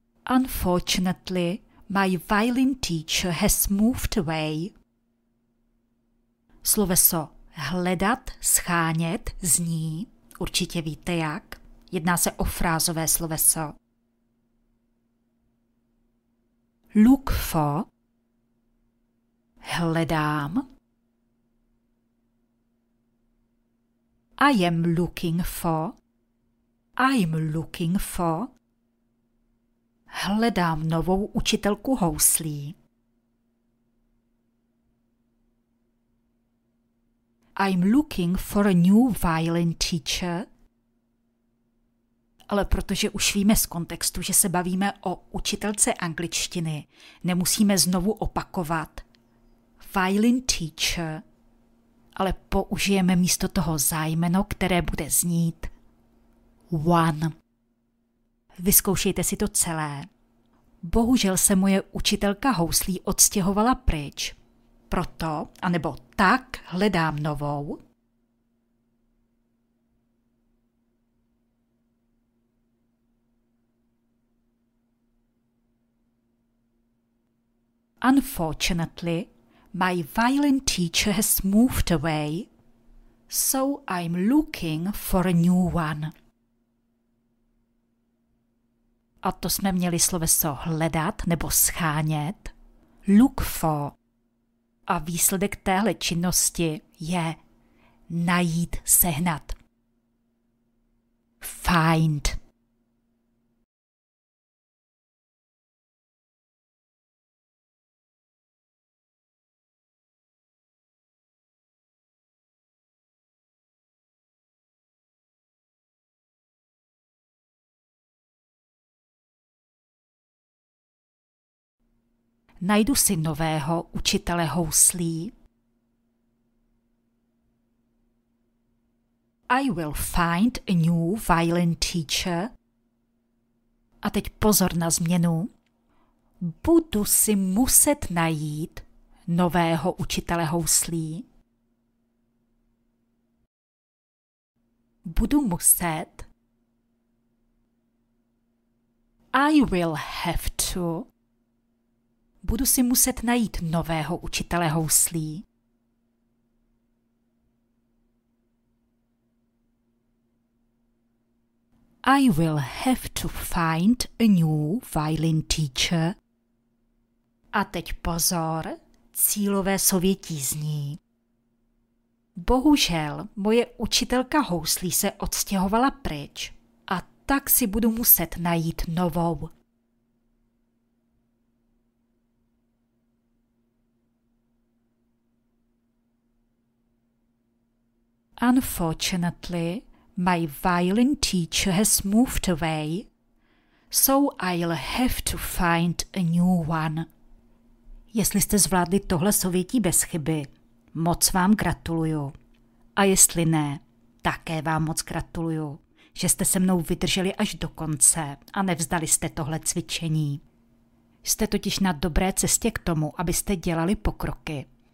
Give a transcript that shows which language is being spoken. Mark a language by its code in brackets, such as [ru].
[en] Unfortunately, my violin teacher has moved away. [cs] Sloveso hledat, schánět, zní, určitě víte jak. Jedná se o frázové sloveso. [en] Look for. [cs] Hledám. [en] I am looking for. I'm looking for. [cs] Hledám novou učitelku houslí. [en] I'm looking for a new violin teacher. [cs] Ale protože už víme z kontextu, že se bavíme o učitelce angličtiny, nemusíme znovu opakovat [en] violin teacher, [cs] ale použijeme místo toho zájmeno, které bude znít one. Vyzkoušejte si to celé. Bohužel se moje učitelka houslí odstěhovala pryč. Proto, anebo tak, hledám novou. [en] Unfortunately, my violin teacher has moved away, so I'm looking for a new one. [cs] A to jsme měli sloveso hledat nebo schánět. [en] Look for. [cs] A výsledek téhle činnosti je najít, sehnat. Find. Najdu si nového učitele houslí. [en] I will find a new violin teacher. [cs] A teď pozor na změnu. Budu si muset najít nového učitele houslí. Budu muset. [en] I will have to. [cs] Budu si muset najít nového učitele houslí. [en] I will have to find a new violin teacher. [cs] A teď pozor, cílové souvětí zní. Bohužel, moje učitelka houslí se odstěhovala pryč a tak si budu muset najít novou. [en] Unfortunately, my violin teacher has moved away, so I'll have to find a new one. [cs] Jestli jste zvládli tohle souvětí bez chyby, moc vám gratuluju. A jestli ne, také vám moc gratuluju, že jste se mnou vydrželi až do konce a nevzdali jste tohle cvičení. Jste totiž na dobré cestě k tomu, abyste dělali pokroky.